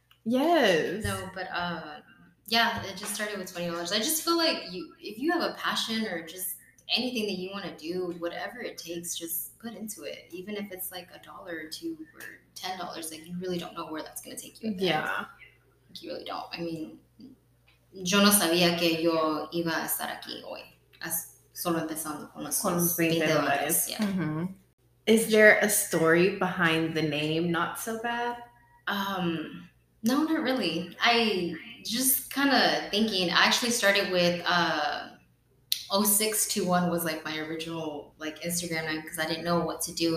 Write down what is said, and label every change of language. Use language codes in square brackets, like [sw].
[en] Yes. No, but... Yeah, it just started with $20. I just feel like if you have a passion or just anything that you want to do, whatever it takes, just put into it. Even if it's like a dollar or two or $10, like you really don't know where that's going to take you. Yeah. Like you really don't. I mean, [es] yo no sabía que yo iba a estar aquí hoy. Solo empezando con los $20. Yeah. Mm-hmm. [en] Is there a story behind the name Not So Bad? No, not really. I just kind of thinking, I actually started with 0621 was like my original like Instagram name because I didn't know what to do.